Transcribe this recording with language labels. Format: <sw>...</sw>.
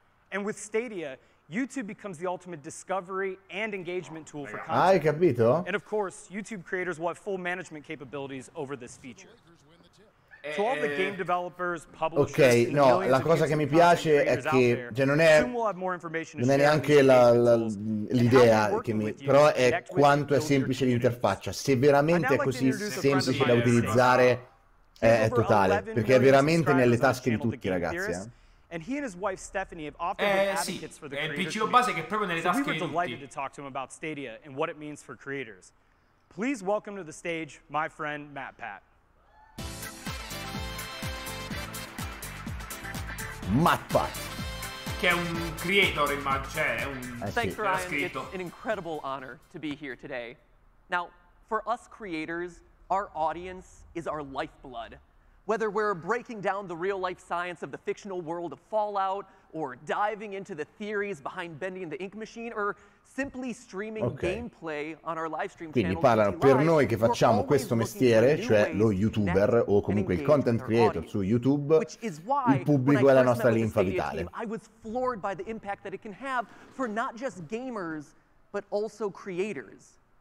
<en>And with Stadia, YouTube becomes the ultimate discovery and engagement tool for content.</en> <it>Ah, hai capito?</it> <en>And of course, YouTube creators will have full management capabilities over this feature.</en> <it>Ok, no, la cosa che mi piace è che non è neanche l'idea che mi, però è quanto è semplice l'interfaccia. Se veramente è così semplice da utilizzare, è totale, perché è veramente nelle tasche di tutti, ragazzi.</it> <en>And he and his wife Stephanie have often been advocates for the creators. So we were delighted to talk to him about Stadia and what it means for creators. Please welcome to the stage my friend Matt Pat.</en> <it>Matt Pat, che è un creator, immagino, cioè è un</it> <en>Thanks, Ryan. It's an incredible honor to be here today. Now, for us creators, our audience is our lifeblood. Whether we're breaking down the real-life science of the fictional world of Fallout, or diving into the theories behind Bending the Ink Machine, or simply streaming gameplay on our live stream</en> <it>Quindi</it> <en>channel.</en> <it>Quindi parla per noi che facciamo questo mestiere, cioè lo youtuber o comunque il content creator su YouTube, il pubblico è la nostra linfa vitale.</it> <en>Team, I was floored by the impact that it can have for not just gamers, but also creators.</en>